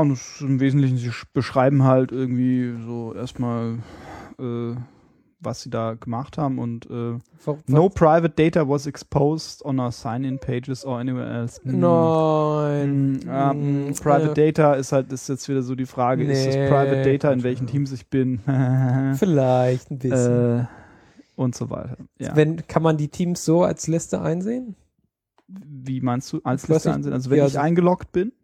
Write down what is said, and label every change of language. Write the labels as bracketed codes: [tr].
[de] Und im Wesentlichen, sie beschreiben halt irgendwie so erstmal, was sie da gemacht haben. [en] Und no private data was exposed on our sign-in pages or anywhere else. [de] Private Data ist halt, ist jetzt wieder so die Frage, ist das Private Data, in welchen Teams ich bin? Vielleicht ein bisschen. Und so weiter. Ja. Wenn, kann man die Teams so als Liste einsehen? Wie meinst du, als Liste einsehen? Also wenn ich eingeloggt bin?